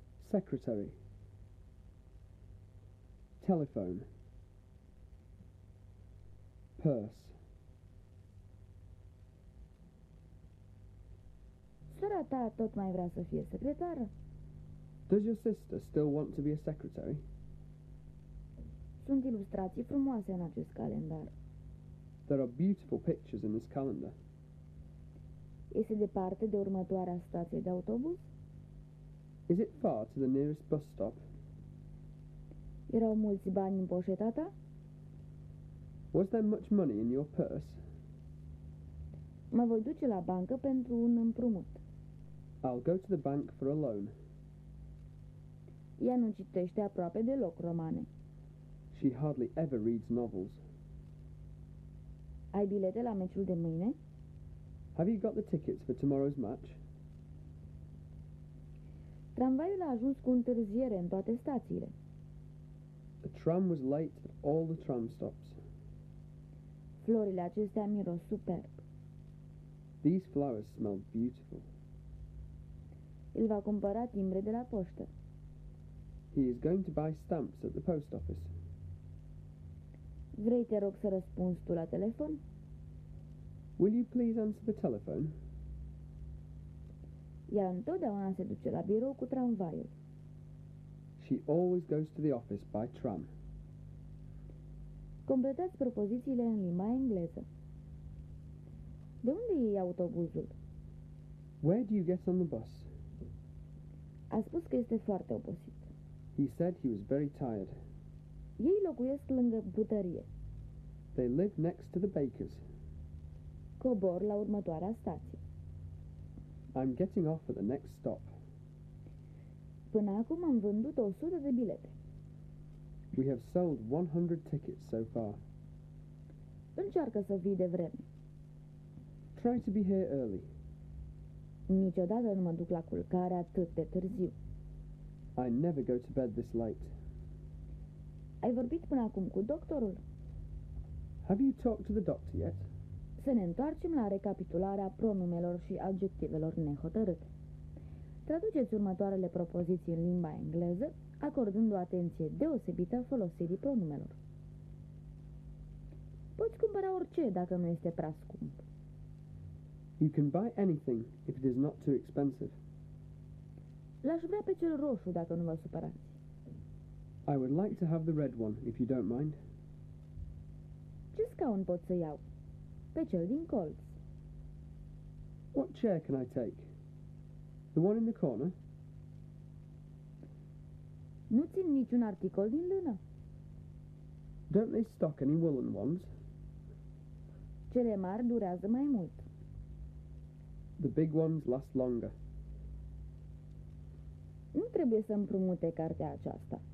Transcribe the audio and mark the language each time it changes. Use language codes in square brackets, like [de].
[en] Secretary. Telephone. Purse. [ro] Sora ta tot mai vrea să fie secretară? [en] Does your sister still want to be a secretary? [ro] Sunt ilustrații frumoase în acest calendar. [en] There are beautiful pictures in this calendar. [ro] Este departe de următoarea stație de autobuz? [en] Is it far to the nearest bus stop? [ro] Erau mulți bani în poșeta ta? [en] Was there much money in your purse? [ro] Mă voi duce la bancă pentru un împrumut. [en] I'll go to the bank for a loan. [ro] Ea nu citește aproape deloc romane. [en] She hardly ever reads novels. [ro] Ai bilete la meciul de mâine? [en] Have you got the tickets for tomorrow's match? [ro] Tramvaiul a ajuns cu întârziere în toate stațiile. [en] The tram was late at all the tram stops. [ro] Florile acestea miros superb. [en] These flowers smell beautiful. [ro] Îl va cumpăra timbre de la poștă. [en] He is going to buy stamps at the post office. [ro] Vrei, te rog, să răspunzi tu la telefon? [en] Will you please answer the telephone? [ro] Ea întotdeauna se duce la birou cu tramvaiul. [en] She always goes to the office by tram. [ro] Completați propozițiile în limba engleză. De unde e autobuzul? [en] Where do you get on the bus? [ro] A spus că este foarte obosit. [en] He said he was very tired. [ro] Ei locuiesc lângă butărie. [en] They live next to the baker's. [ro] Cobor la următoarea stație. [en] I'm getting off at the next stop. [ro] Până acum am vândut 100 de bilete. [en] We have sold 100 tickets so far. [ro] Încearcă să vii de vreme. [en] Try to be here early. [ro] Niciodată nu mă duc la culcare atât de târziu. [en] I never go to bed this late. [ro] Ai vorbit până acum cu doctorul? [en] Have you talked to the doctor yet? [ro] Să ne întoarcem la recapitularea pronumelor și adjectivelor nehotărâte. Traduceți următoarele propoziții în limba engleză, acordând o atenție deosebită folosirii pronumelor. Poți cumpăra orice dacă nu este prea scump. [en] You can buy anything if it is not too expensive. [ro] L-aș vrea pe cel roșu dacă nu vă supărați. [en] I would like to have the red one if you don't mind. [ro] Ce scaun pot să iau? Pe cel din colț. [en] What chair can I take? The one in the corner? [ro] Nu țin niciun articol din lână. [en] Don't they stock any woolen ones? [ro] Cele mari durează mai mult. [en] The big ones last longer. [ro] Nu trebuie să împrumute cartea aceasta.